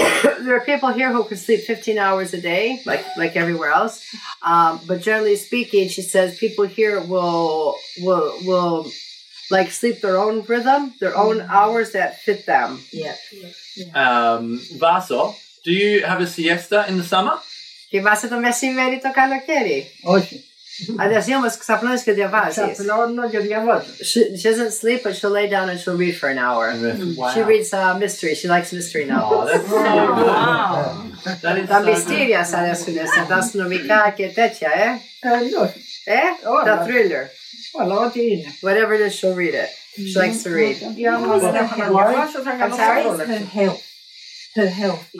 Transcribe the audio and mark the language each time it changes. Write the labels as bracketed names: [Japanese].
[English] There are people here who can sleep 15 hours a day, like everywhere else. But generally speaking, she says people here will like sleep their own rhythm, their own hours that fit them. Yeah. Vasso, do you have a siesta in the summer? [Greek] Κοιμάσαι το μεσημέρι το καλοκαίρι. Όχι. Αντί όμως ξαπλώνεις και διαβάζεις. Ξαπλώνω και διαβάζω. [English] She doesn't sleep, but she'll lay down and she'll read for an hour. Wow. She reads mystery. She likes mystery novels. Oh, that's so good. Wow. That is so good. [Greek] Τα μυστήρια σ' αρέσουνε, σαν τα αστυνομικά και τέτοια, ε? Όχι. Ε? Τα thriller. Αλλά ό,τι είναι. [English] Whatever it is, she'll read it. She likes to read. [Greek] Διαβάζω, θα κάνω σ' αρέσουνε. [English] her health.